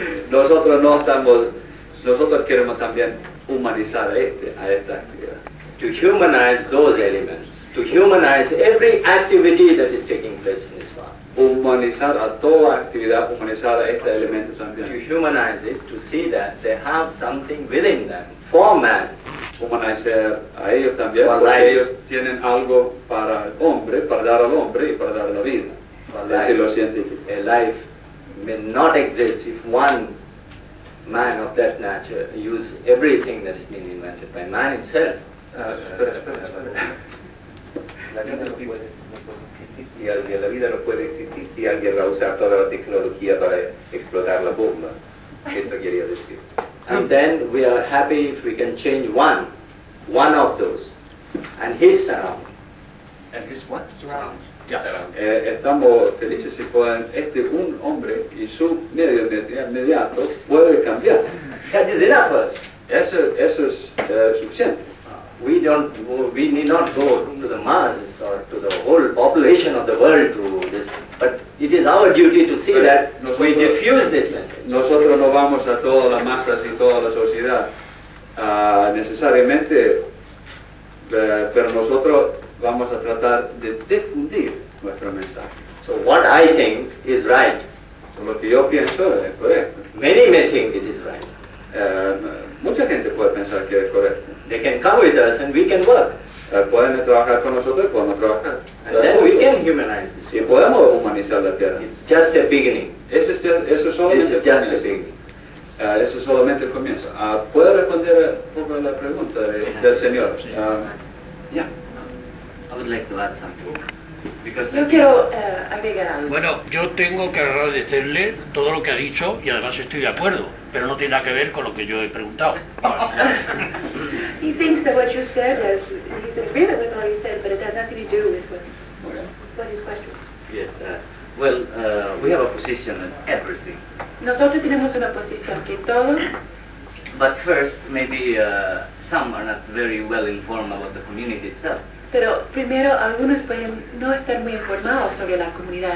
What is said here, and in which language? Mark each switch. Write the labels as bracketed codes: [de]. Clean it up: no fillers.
[es] nosotros no estamos, nosotros queremos también humanizar a esta actividad. [en] To humanize those elements. To humanize every activity that is taking place in this farm. [es] Humanizar a toda actividad, humanizar a este elemento también. [en] To humanize it, to see that they have something within them, for man. [es] Humanizar a ellos también, porque [en] life. [es] Ellos tienen algo para el hombre, para dar al hombre y para dar la vida. [en] For life. [es] Lo científico. [en] A life may not exist if one man of that nature use everything that's been invented by man itself. [es] La vida no puede existir si alguien va a usar toda la tecnología para explotar la bomba. Esto quería decir. [en] And then we are happy if we can change one of those, and his surround. And his what? Surround. Yeah. [es] Estamos felices si pueden, un hombre y su medio inmediato puede cambiar. [en] That is enough for us. [es] Eso es suficiente. [en] We need not go to the masses or to the whole population of the world to this, but it is our duty to see that we diffuse this message. [es] Nosotros no vamos a todas las masas y toda la sociedad necesariamente, pero nosotros vamos a tratar de difundir nuestro mensaje. [en] So what I think is right. [es] Lo que yo pienso es correcto. [en] Many may think it is right. [es] Mucha gente puede pensar que es correcto. [en] They can come with us and we can work. [es] Pueden trabajar con nosotros y podemos trabajar. [en] And then we can humanize this. [es] Y podemos humanizar la tierra. [en] It's just a beginning. [es] Eso solamente el comienzo. ¿Puedo responder un poco a la pregunta del señor? [en] I would like to add something. [es] Yo quiero agregar algo. Bueno, yo tengo que agradecerle todo lo que ha dicho y además estoy de acuerdo, pero no tiene nada que ver con lo que yo he preguntado. [en] He thinks that what you've said is he's agreement with all you said, but it has nothing to do with what his question. Yes. We have a position on everything. [es] Nosotros tenemos una posición que todo. [en] But first, maybe some are not very well informed about the community itself. [es] Pero primero, algunos pueden no estar muy informados sobre la comunidad